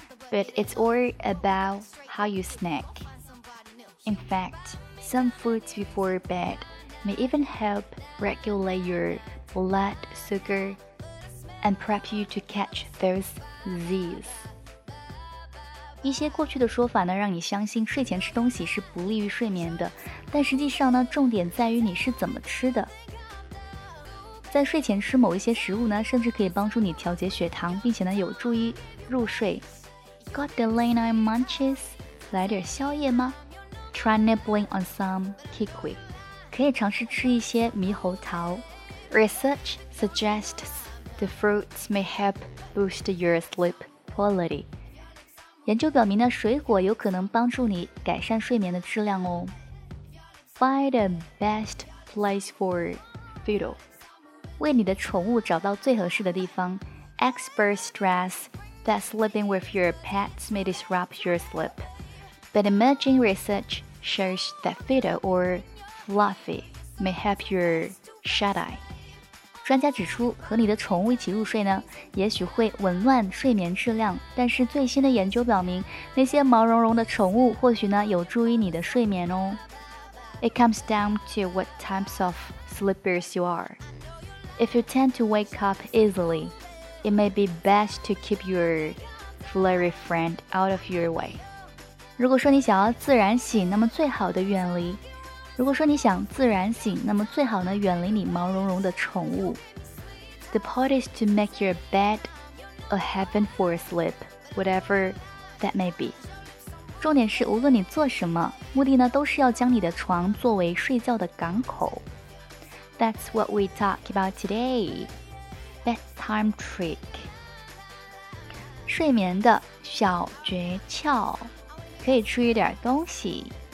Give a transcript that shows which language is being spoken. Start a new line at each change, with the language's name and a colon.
English: But it's all about how you snack. In fact, some foods before bed may even help regulate yourblood sugar and prep you to catch those Z's.
Chinese: 一些过去的说法呢让你相信睡前吃东西是不利于睡眠的，但实际上呢重点在于你是怎么吃的。在睡前吃某一些食物呢甚至可以帮助你调节血糖，并且呢有助于入睡。
English: Got the late night munches?
Chinese: 来点宵夜吗？
English: Try nibbling on some kiwi.
Chinese: 可以尝试吃一些猕猴桃。
English: Research suggests the fruits may help boost your sleep quality.
Chinese: 研究表明呢，水果有可能帮助你改善睡眠的质量哦。
English: Find the best place for fiddle.
Chinese: 为你的宠物找到最合适的地方。
English: Experts stress that sleeping with your pets may disrupt your sleep. But emerging research shows that fiddle or fluffy may help your shut eye.
Chinese: 专家指出，和你的宠物一起入睡呢，也许会紊乱睡眠质量。但是最新的研究表明，那些毛茸茸的宠物或许呢，有助于你的睡眠哦。
English: It comes down to what types of sleepers you are. If you tend to wake up easily, it may be best to keep your furry friend out of your way.
Chinese: 如果说你想要自然醒，那么最好的远离。如果说你想自然醒，那么最好呢远离你毛茸茸的宠物。
English: The point is to make your bed a heaven for sleep, whatever that may be.
Chinese: 重点是无论你做什么，目的呢都是要将你的床作为睡觉的港口。
English: That's what we talk about today. Bedtime trick.
Chinese: 睡眠的小诀窍，可以吃一点东西。